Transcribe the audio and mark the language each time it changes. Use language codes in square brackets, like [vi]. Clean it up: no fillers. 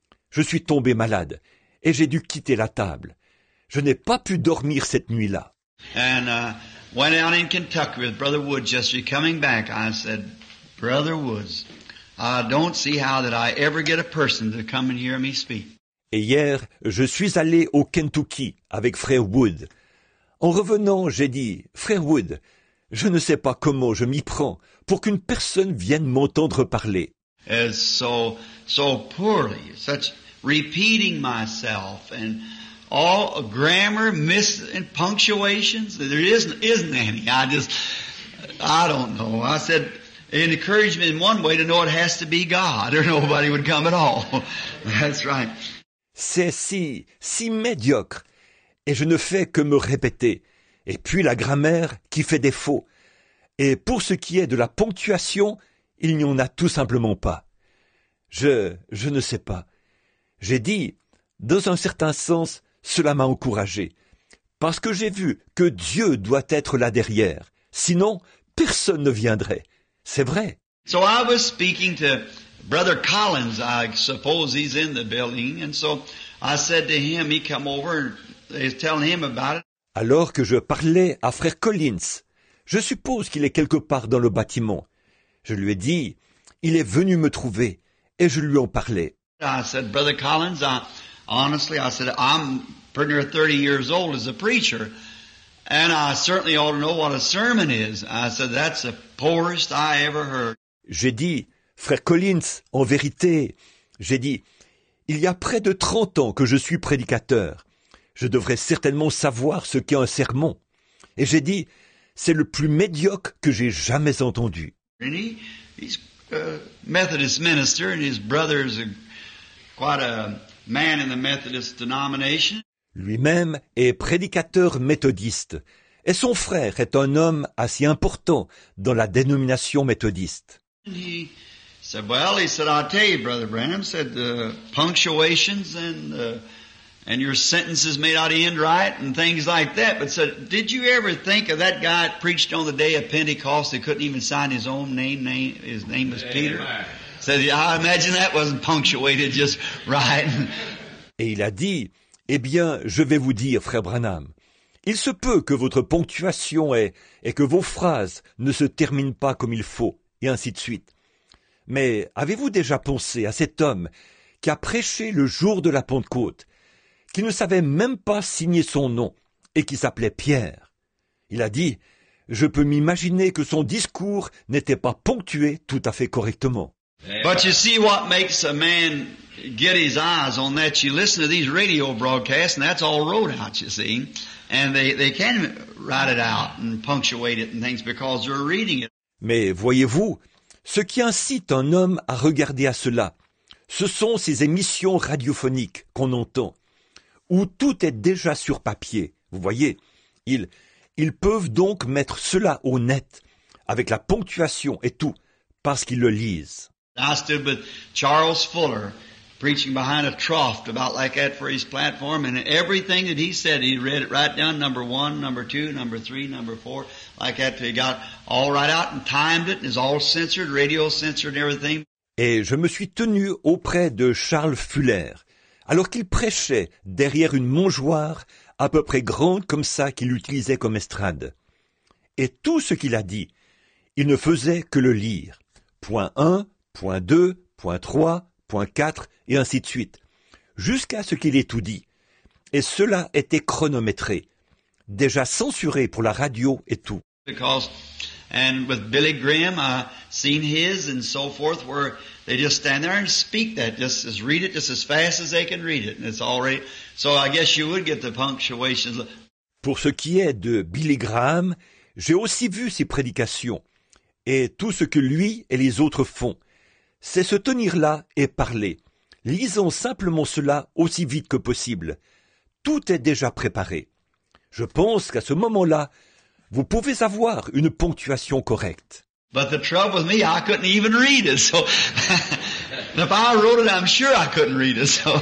[fr] Je suis tombé malade et j'ai dû quitter la table. Je n'ai pas pu dormir cette nuit-là. [en] And went out in Kentucky with Brother Woods yesterday. Coming back, I said, Brother Woods, I don't see how that I ever get a person to come and hear me speak. [fr] Et hier, je suis allé au Kentucky avec Frère Wood. En revenant, j'ai dit, Frère Wood, je ne sais pas comment je m'y prends pour qu'une personne vienne m'entendre parler. [en] It's so poorly, such repeating myself and all grammar, miss and punctuations. There isn't any. I don't know. I said, it encouraged me in one way to know it has to be God or nobody would come at all. That's right. [fr] C'est si médiocre. Et je ne fais que me répéter. Et puis la grammaire qui fait défaut. Et pour ce qui est de la ponctuation, il n'y en a tout simplement pas. Je ne sais pas. J'ai dit, dans un certain sens, cela m'a encouragé. Parce que j'ai vu que Dieu doit être là derrière. Sinon, personne ne viendrait. C'est vrai. [en] So I was speaking to Brother Collins. I suppose he's in the building. And so I said to him, he come over and is telling him about it. [fr] Alors que je parlais à Frère Collins, je suppose qu'il est quelque part dans le bâtiment. Je lui ai dit, il est venu me trouver et je lui en parlais. [en] I said, Brother Collins, honestly, I'm pretty near 30 years old as a preacher. And I certainly ought to know what a sermon is. I said, that's the poorest I ever heard. [fr] J'ai dit, Frère Collins, en vérité, j'ai dit, il y a près de 30 ans que je suis prédicateur. Je devrais certainement savoir ce qu'est un sermon. Et j'ai dit, c'est le plus médiocre que j'ai jamais entendu. [en] And he's a Methodist minister and his brother is quite a man in the Methodist denomination. [fr] Lui-même est prédicateur méthodiste, et son frère est un homme assez important dans la dénomination méthodiste. [en] He said, well, he said, I'll tell you, Brother Branham, said the punctuations and your sentences may not end right and things like that. But said, did you ever think of that guy that preached on the day of Pentecost that couldn't even sign his own name? His name was Peter. Said, I imagine that wasn't punctuated just right. [fr] Et il a dit, eh bien, je vais vous dire, frère Branham, il se peut que votre ponctuation et que vos phrases ne se terminent pas comme il faut, et ainsi de suite. Mais avez-vous déjà pensé à cet homme qui a prêché le jour de la Pentecôte, qui ne savait même pas signer son nom et qui s'appelait Pierre? Il a dit, je peux m'imaginer que son discours n'était pas ponctué tout à fait correctement. [en] But you see what makes a man get his eyes on that. You listen to these radio broadcasts, and that's all wrote out, you see. And they can write it out and punctuate it and things because they're reading it. [fr] Mais voyez-vous, ce qui incite un homme à regarder à cela, ce sont ces émissions radiophoniques qu'on entend, où tout est déjà sur papier, vous voyez. Ils peuvent donc mettre cela au net, avec la ponctuation et tout, parce qu'ils le lisent. [en] I stood with Charles Fuller, preaching behind a trough about like that for his platform, and everything that he said, he read it right down, number one, number two, number three, number four, like after he got all right out and timed it, and it's all censored, radio censored and everything. [fr] Et je me suis tenu auprès de Charles Fuller, alors qu'il prêchait derrière une mongeoire à peu près grande comme ça qu'il utilisait comme estrade. Et tout ce qu'il a dit, il ne faisait que le lire. Point 1, point 2, point 3, point 4, et ainsi de suite. Jusqu'à ce qu'il ait tout dit. Et cela était chronométré, déjà censuré pour la radio et tout. [en] Because, and with Billy Graham, I seen his and so forth, where they just stand there and speak that, just read it just as fast as they can read it, and it's all right. So I guess you would get the punctuation. [fr] Pour ce qui est de Billy Graham, j'ai aussi vu ses prédications et tout ce que lui et les autres font. C'est se tenir là et parler, lisant simplement cela aussi vite que possible. Tout est déjà préparé. Je pense qu'à ce moment-là, vous pouvez avoir une ponctuation correcte. [en] But the trouble with me, I couldn't even read it. So if I wrote it, I'm sure I couldn't read it.